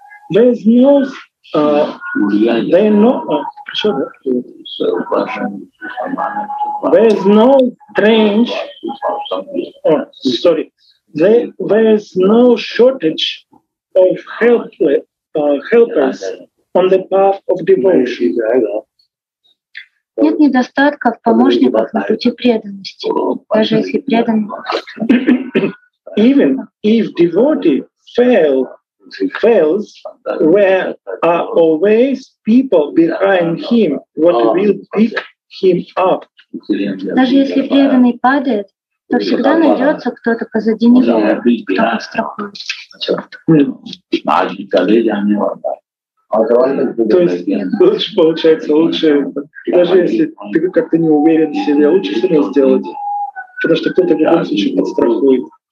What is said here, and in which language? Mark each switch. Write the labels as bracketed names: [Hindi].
[English] There is no there is no shortage of helpers on the path of devotion. [Russian] Нет недостатков помощников на пути преданности, даже если преданный. [English] even if devotee fails, there are always people behind him what will pick him up. [Russian] Даже если преданный падает, то всегда найдется кто-то позади него, кто подстрахует. То есть лучше получается, лучше, даже если ты как-то не уверен в себе, лучше все равно сделать, потому что кто-то в любом случае подстрахует.